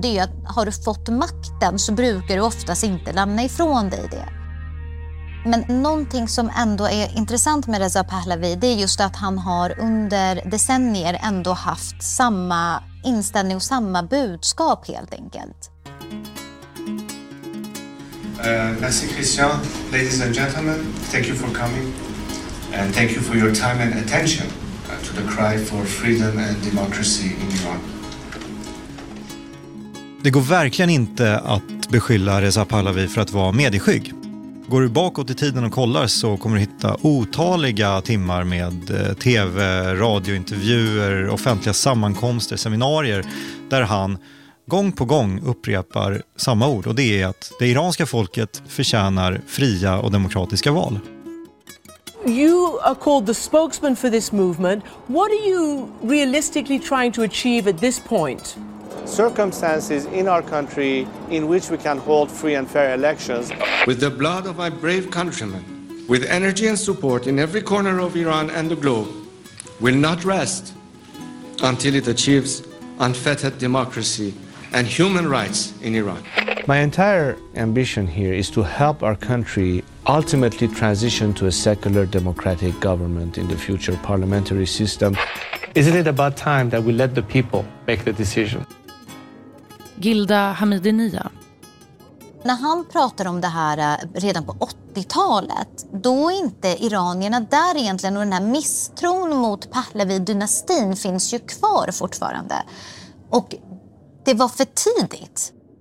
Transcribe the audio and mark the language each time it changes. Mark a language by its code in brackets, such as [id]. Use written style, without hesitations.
[sv] Det är att har du fått makten så brukar du oftast inte lämna ifrån dig det. Men någonting som ändå är intressant med Reza Pahlavi, det är just att han har under decennier ändå haft samma inställning och samma budskap helt enkelt. [en] Merci Christian, ladies and gentlemen, thank you for coming and thank you for your time and attention to the cry for freedom and democracy in Iran. [sv] Det går verkligen inte att beskylla Reza Pahlavi för att vara medieskygg. Går du bakåt i tiden och kollar så kommer du hitta otaliga timmar med tv, radiointervjuer, offentliga sammankomster, seminarier där han gång på gång upprepar samma ord, och det är att det iranska folket förtjänar fria och demokratiska val. [en] You are called the spokesman for this movement. What are you realistically trying to achieve at this point? Circumstances in our country in which we can hold free and fair elections. With the blood of my brave countrymen, with energy and support in every corner of Iran and the globe, will not rest until it achieves unfettered democracy and human rights in Iran. My entire ambition here is to help our country ultimately transition to a secular democratic government in the future parliamentary system. Isn't it about time that we let the people make the decision? [sv] Gilda Hamidinia. När han pratar om det här redan på 80-talet, då är inte iranierna där egentligen, och den här misstron mot Pahlavi-dynastin finns ju kvar fortfarande. Och det var för tidigt.